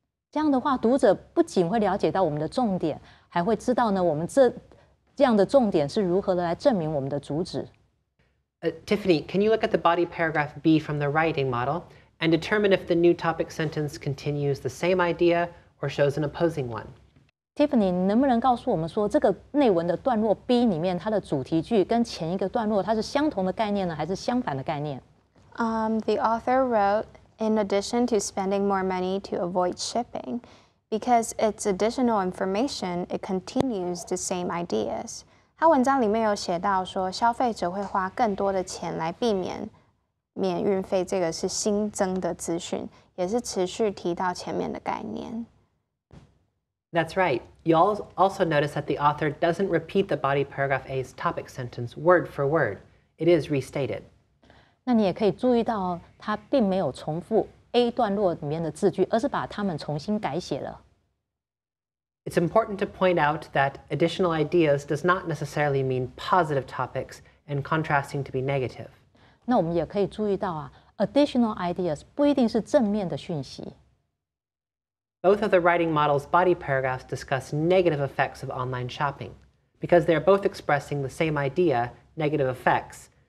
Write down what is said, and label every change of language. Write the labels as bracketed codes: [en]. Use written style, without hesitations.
[zh] 这样的话，读者不仅会了解到我们的重点，还会知道呢，我们这样的重点是如何的来证明我们的主旨。 [en] Tiffany, can you look at the body paragraph B from the writing model and determine if the new topic sentence continues the same idea or shows an opposing one? [zh] Tiffany, 能不能告诉我们说，这个内文的段落 B 里面，它的主题句跟前一个段落它是相同的概念呢，还是相反的概念？ [en] The author wrote. In addition to spending more money to avoid shipping, because it's additional information, it continues the same ideas. [zh] 他文章里面有写到说，消费者会花更多的钱来避免免运费，这个是新增的资讯，也是持续提到前面的概念。 [en] That's right. You also notice that the author doesn't repeat the body paragraph A's topic sentence word for word. It is restated. [zh] 那你也可以注意到，它并没有重复 A 段落里面的字句，而是把它们重新改写了。 [en] It's important to point out that additional ideas does not necessarily mean positive topics and contrasting to be negative. [zh] 那我们也可以注意到啊 ， [en] additional ideas [zh] 不一定是正面的讯息。 [en] Both of the writing model's body paragraphs discuss negative effects of online shopping, because they are both expressing the same idea, negative effects.